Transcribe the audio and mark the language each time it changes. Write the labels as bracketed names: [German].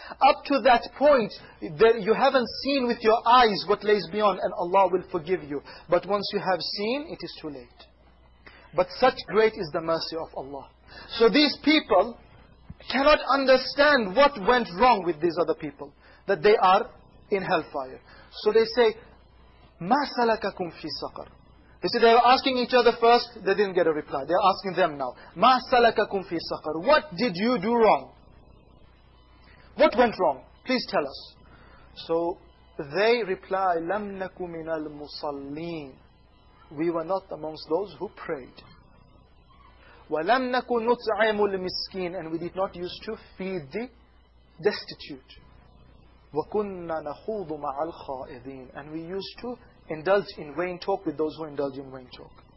[English] Up to that point, you haven't seen with your eyes what lays beyond, and Allah will forgive you. But once you have seen, it is too late. But such great is the mercy of Allah. So these people cannot understand what went wrong with these other people, that they are in hellfire. So they say, [Arabic] مَا سَلَكَكُمْ فِي سَقَرْ. [English] You see, they were asking each other first, they didn't get a reply. They are asking them now. [Arabic] مَا سَلَكَكُمْ فِي سَقَرْ. [English] What did you do wrong? What went wrong? Please tell us. So they reply, [Arabic] لَمْ نَكُمْ مِنَ الْمُصَلِّينَ. [English] We were not amongst those who prayed. [Arabic] وَلَمْ نَكُمْ نُطْعَمُ الْمِسْكِينَ. [English] And we did not used to feed the destitute. [Arabic] وَكُنَّا نَخُوضُ مَعَ الْخَائِذِينَ. [English] And we used to indulge in vain talk with those who indulge in vain talk.